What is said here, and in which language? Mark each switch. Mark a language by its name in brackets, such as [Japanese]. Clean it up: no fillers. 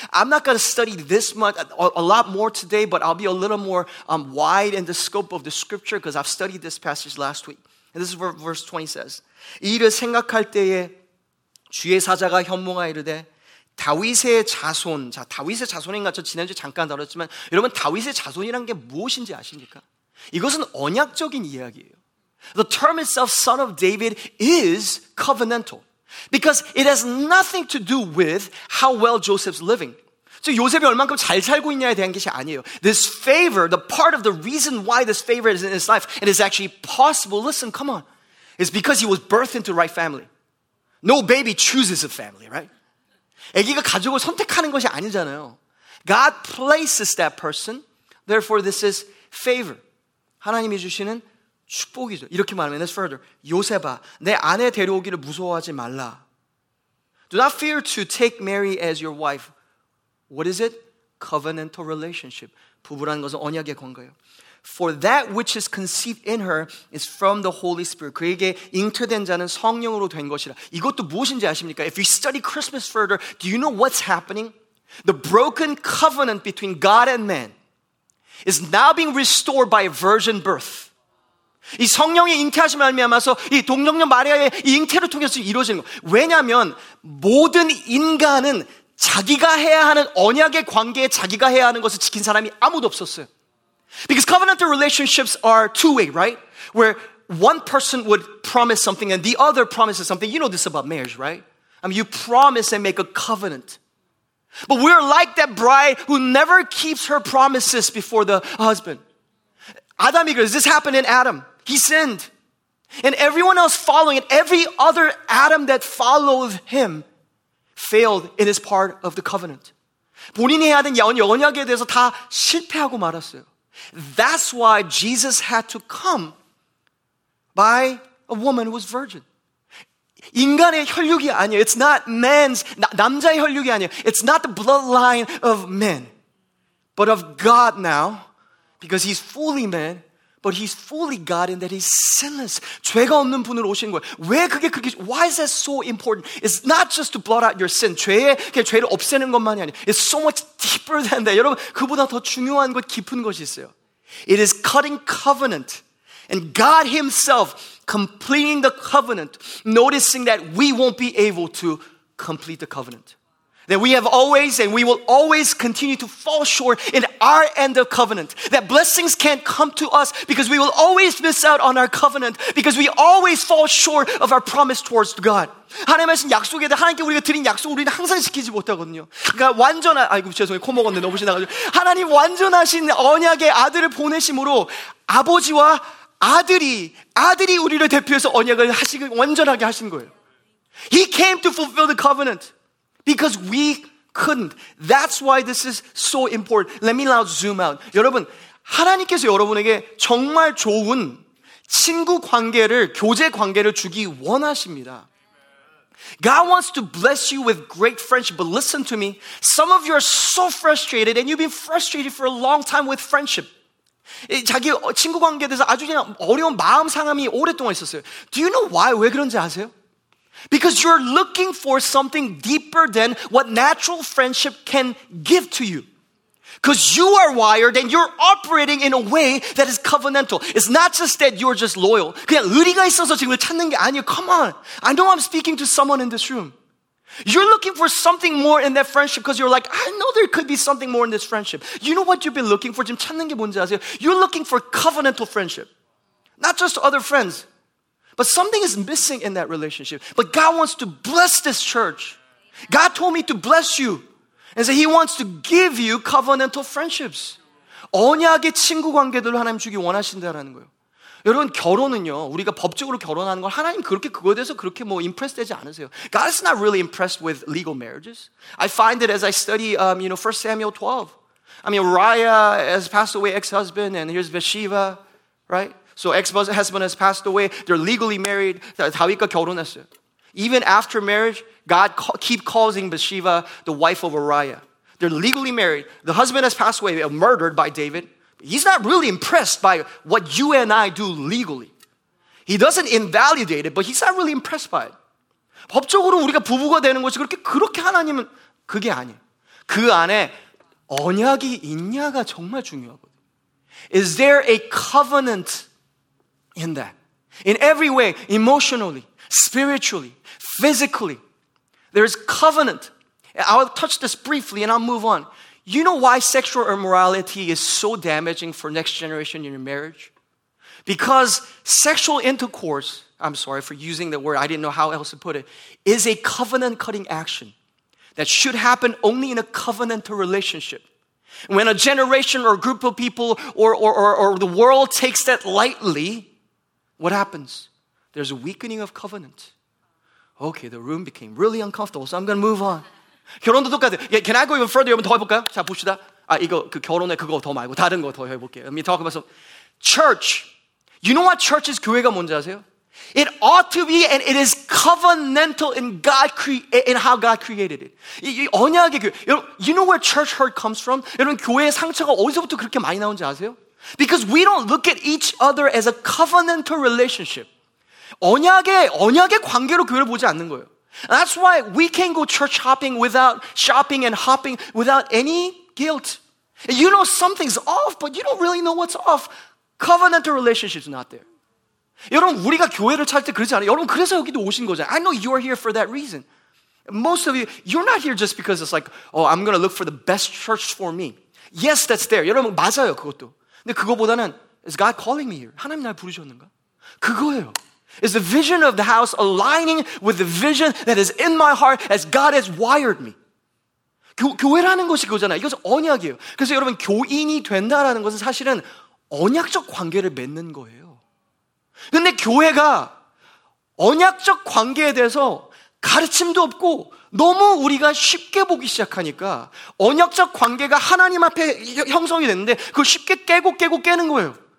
[English] I'm not going to study this much, a lot more today, but I'll be a little more wide in the scope of the scripture because I've studied this passage last week. And this is what verse 20 says. [Korean] 이를 생각할 때에 주의 사자가 현몽하 이르되 다윗의 자손, 자 다윗의 자손인가? 저 지난주에 잠깐 다뤘지만 여러분 다윗의 자손이란 게 무엇인지 아십니까? 이것은 언약적인 이야기예요. [English] The term itself, son of David, is covenantal. Because it has nothing to do with how well Joseph's living. [Korean] 즉 요셉이 얼만큼 잘 살고 있냐에 대한 것이 아니에요. [English] This favor, the part of the reason why this favor is in his life and is actually possible, listen, come on, is because he was birthed into the right family. No baby chooses a family, right? [Korean] 아기가 가족을 선택하는 것이 아니잖아요. [English] God places that person, therefore this is favor. [Korean] 하나님이 주시는 축복이죠. 이렇게 말하면, [English] let's further. [Korean] 요셉아, 내 아내 데려오기를 무서워하지 말라. [English] Do not fear to take Mary as your wife. What is it? Covenantal relationship. [Korean] 부부라는 것은 언약의 관계예요. [English] For that which is conceived in her is from the Holy Spirit. [Korean] 그에게 잉태된 자는 성령으로 된 것이라. 이것도 무엇인지 아십니까? [English] If you study Christmas further, do you know what's happening? The broken covenant between God and man is now being restored by a virgin birth. [Korean] 이 성령의 잉태하심을 말미암아서 이 동정녀 마리아의 잉태를 통해서 이루어지는 것. 왜냐하면 모든 인간은 자기가 해야 하는 언약의 관계에 자기가 해야 하는 것을 지킨 사람이 아무도 없었어요. [English] Because covenantal relationships are two-way, right? Where one person would promise something and the other promises something. You know this about marriage, right? I mean, you promise and make a covenant. But we're like that bride who never keeps her promises before the husband. Adam, this happened in Adam. He sinned. And everyone else following it, every other Adam that followed him failed in his part of the covenant. [Korean] 본인이 해야 하는 언약에 대해서 다 실패하고 말았어요. [English] That's why Jesus had to come by a woman who was virgin. [Korean] 인간의 혈육이 아니에요. [English] It's not man's, [Korean] 남자의 혈육이 아니에요. [English] It's not the bloodline of men, but of God now, because he's fully man, but he's fully God in that he's sinless. [Korean] 죄가 없는 분으로 오신 거예요. 왜 그게 그렇게, [English] why is that so important? It's not just to blot out your sin. [Korean] 죄를 없애는 것만이 아니에요. [English] It's so much deeper than that. [Korean] 여러분, 그보다 더 중요한 것, 깊은 것이 있어요. [English] It is cutting covenant. And God himself completing the covenant, noticing that we won't be able to complete the covenant. That we have always and we will always continue to fall short in our end of covenant. That blessings can't come to us because we will always miss out on our covenant because we always fall short of our promise towards God. [Korean] 하나님의 말씀 약속에 대해 하나님께 우리가 드린 약속 우리는 항상 지키지 못하거든요. 그러니까 완전한, 아이고 죄송해요. 코 먹었는데 너무 지나가지고. 하나님 완전하신 언약의 아들을 보내심으로 아버지와 아들이 우리를 대표해서 언약을 하시길 완전하게 하신 거예요. [English] He came to fulfill the covenant because we couldn't. That's why this is so important. Let me now zoom out. [Korean] 여러분, 하나님께서 여러분에게 정말 좋은 친구 관계를, 교제 관계를 주기 원하십니다. [English] God wants to bless you with great friendship, but listen to me. Some of you are so frustrated and you've been frustrated for a long time with friendship. [Korean] 자기 친구 관계에 대해서 아주 그냥 어려운 마음 상함이 오랫동안 있었어요. [English] Do you know why? [Korean] 왜 그런지 아세요? [English] Because you're looking for something deeper than what natural friendship can give to you. Because you are wired and you're operating in a way that is covenantal. It's not just that you're just loyal. [Korean] 그냥 의리가 있어서 지금 찾는 게 아니에요. [English] Come on. I know I'm speaking to someone in this room. You're looking for something more in that friendship because you're like, I know there could be something more in this friendship. You know what you've been looking for? [Korean] 지금 찾는 게 뭔지 아세요? [English] You're looking for covenantal friendship. Not just other friends. But something is missing in that relationship. But God wants to bless this church. God told me to bless you. And so he wants to give you covenantal friendships. [Korean] 언약의 친구 관계들로 하나님 주기 원하신다라는 거예요. 여러분 결혼은요 우리가 법적으로 결혼하는 걸 하나님 그렇게 그거에 대해서 그렇게 뭐 impressed 되지 않으세요. [English] God is not really impressed with legal marriages. I find it as I study, you know, 1 Samuel 12. I mean, Uriah has passed away, ex-husband, and here's Bathsheba, right? So ex-husband has passed away. They're legally married. [Korean] 다윗과 결혼했어요. [English] Even after marriage, God keep calling Bathsheba the wife of Uriah. They're legally married. The husband has passed away, murdered by David. He's not really impressed by what you and I do legally. He doesn't invalidate it, but he's not really impressed by it. [Korean] 법적으로 우리가 부부가 되는 것이 그렇게 하나님은 그게 아니에요. 그 안에 언약이 있냐가 정말 중요하거든요. [English] Is there a covenant in that? In every way, emotionally, spiritually, physically, there is covenant. I'll touch this briefly and I'll move on. You know why sexual immorality is so damaging for next generation in your marriage? Because sexual intercourse, I'm sorry for using the word, I didn't know how else to put it, is a covenant-cutting action that should happen only in a covenantal relationship. When a generation or a group of people or the world takes that lightly, what happens? There's a weakening of covenant. Okay, the room became really uncomfortable, so I'm going to move on. [Korean] 결혼도 똑같아요. [English] Yeah, can I go even further? [Korean] 여러분 더 해볼까요? 자, 봅시다. 아, 이거 그 결혼의 그거 더 말고 다른 거 더 해볼게요. [English] Let me talk about some. Church. You know what church is? [Korean] 교회가 뭔지 아세요? [English] It ought to be and it is covenantal in God in how God created it. [Korean] 이 언약의 교회. [English] 여러분, you know where church hurt comes from? [Korean] 여러분, 교회의 상처가 어디서부터 그렇게 많이 나온지 아세요? [English] Because we don't look at each other as a covenantal relationship. [Korean] 언약의 관계로 교회를 보지 않는 거예요. [English] That's why we can't go church hopping without shopping and hopping without any guilt. You know something's off, but you don't really know what's off. Covenantal relationship's not there. [Korean] 여러분, 우리가 교회를 찾을 때 그러지 않아요. 여러분, 그래서 여기도 오신 거잖아요. [English] I know you're here for that reason. Most of you, you're not here just because it's like, oh, I'm going to look for the best church for me. Yes, that's there. [Korean] 여러분, 맞아요, 그것도. 근데 그거보다는, [English] is God calling me here? [Korean] 하나님 날 부르셨는가? 그거예요. [English] Is the vision of the house aligning with the vision that is in my heart as God has wired me? [Korean] 교회라는 것이 그거잖아요. 이것은 언약이에요. 그래서 여러분 교인이 된다라는 것은 사실은 언약적 관계를 맺는 거예요. 근데 교회가 언약적 관계에 대해서 가르침도 없고 너무 우리가 쉽게 보기 시작하니까 언약적 관계가 하나님 앞에 형성이 됐는데 그걸 쉽게 깨고 깨는 거예요.